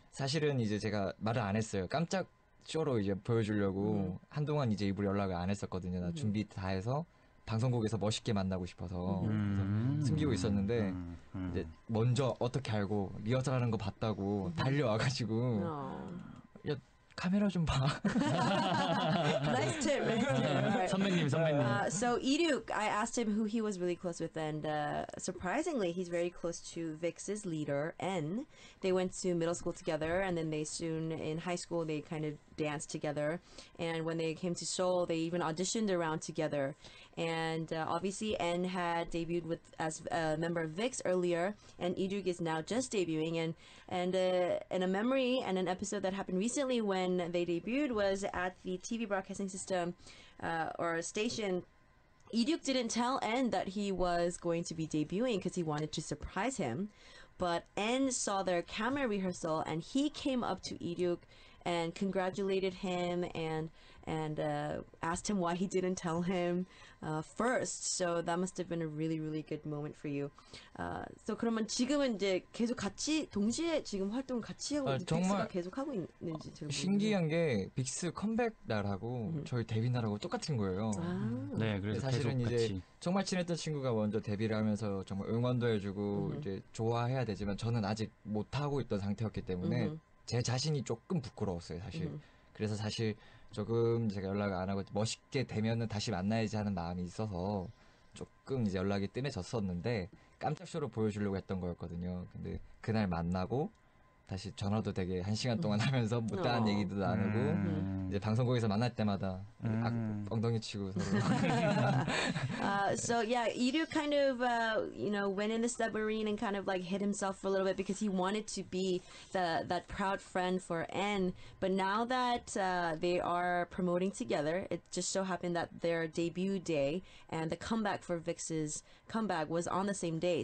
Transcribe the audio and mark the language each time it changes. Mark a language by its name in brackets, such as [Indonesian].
[Korean] 사실은 이제 제가 말을 안 했어요. 깜짝 쇼로 이제 보여주려고 한동안 이제 입을 연락을 안 했었거든요. 나 준비 다 해서 방송국에서 멋있게 만나고 싶어서 숨기고 있었는데 이제 먼저 어떻게 알고 리허설 하는 거 봤다고 달려와가지고 야 카메라 좀 봐. [English] Nice tip. Right? [Korean] 선배님, 선배님. [English] So Iruk, I asked him who he was really close with, and surprisingly, he's very close to Vix's leader, N. They went to middle school together, and then they soon in high school they kind of danced together. And when they came to Seoul, they even auditioned around together. And obviously, N had debuted with as a member of Vix earlier, and Iruk is now just debuting. And a memory and an episode that happened recently when they debuted was at the TV broadcasting system or a station. Iruk didn't tell N that he was going to be debuting because he wanted to surprise him. But N saw their camera rehearsal and he came up to Iruk and congratulated him and asked him why he didn't tell him first. So that must have been a really, really good moment for you. [Korean] So 그러면 지금은 이제 계속 같이 동시에 지금 활동 같이 하고 빅스가 계속 하고 있는지 들어보세요. 신기한 게 빅스 컴백 날하고 저희 데뷔 날하고 똑같은 거예요. 네, 그래서 사실은 계속 이제 같이. 정말 친했던 친구가 먼저 데뷔를 하면서 정말 응원도 해주고 이제 좋아해야 되지만 저는 아직 못 하고 있던 상태였기 때문에 제 자신이 조금 부끄러웠어요, 사실. 그래서 사실 조금 제가 연락을 안 하고 멋있게 되면은 다시 만나야지 하는 마음이 있어서 조금 이제 연락이 뜸해졌었는데 깜짝쇼로 보여주려고 했던 거였거든요. 근데 그날 만나고 다시 전화도 되게 한 시간 동안 하면서 못다한 얘기도 나누고 이제 방송국에서 만날 때마다 엉덩이 치고 [English] so yeah, Iru kind of you know went in the submarine and kind of like hid himself for a little bit because he wanted to be that proud friend for N. But now that they are promoting together, it just so happened that their debut day and the comeback for VIX's comeback was on the same day.